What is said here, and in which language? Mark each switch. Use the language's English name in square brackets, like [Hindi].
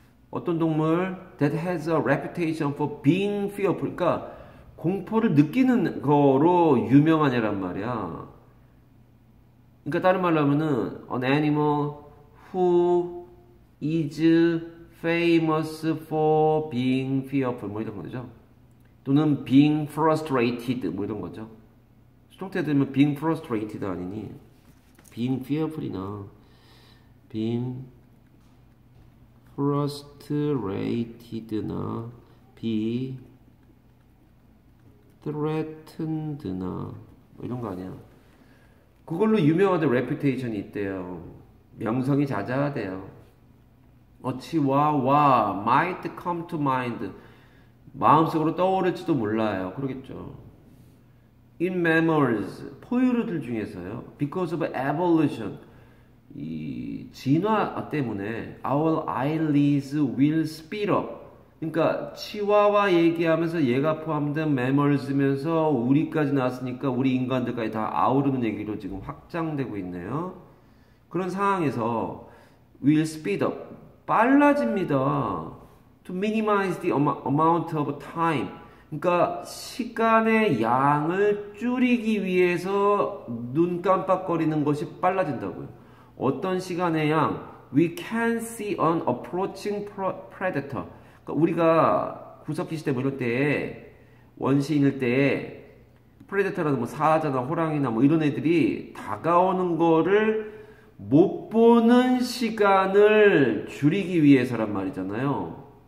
[Korean] 어떤 동물 [English] that has a reputation for being fearful. [Korean] 그러니까 공포를 느끼는 거로 유명하냐란 말이야. 그러니까 다른 말로 하면은 [English] an animal who is famous for being fearful [Korean] 뭐 이런 거죠. 또는 [English] being frustrated [Korean] 뭐 이런 거죠. 수동태 들면 being frustrated 아니니 being fearful이나 being frustrated나 be threatened나 뭐 이런 거 아니야. 그걸로 유명하다. reputation이 있대요. 명성이 자자하대요. [English] 어치와와 might come to mind [Korean] 마음속으로 떠오를지도 몰라요. 그러겠죠. [English] in mammals [Korean] 포유류들 중에서요. [English] because of evolution [Korean] 이 진화 때문에 [English] our eyelids will speed up. [Korean] 그러니까 치와와 얘기하면서 얘가 포함된 매멀즈면서 우리까지 나왔으니까 우리 인간들까지 다 아우르는 얘기로 지금 확장되고 있네요. 그런 상황에서 [English] will speed up [Korean] 빨라집니다. [English] To minimize the amount of time. [Korean] 그러니까 시간의 양을 줄이기 위해서 눈 깜빡거리는 것이 빨라진다고요. 어떤 시간의 양? [English] We can see an approaching predator. [Korean] 우리가 구석기 시대 뭐 이럴 때 원시인일 때 프레데터라는 뭐 사자나 호랑이나 뭐 이런 애들이 다가오는 거를 못 보는 시간을 줄이기 위해서란 말이잖아요.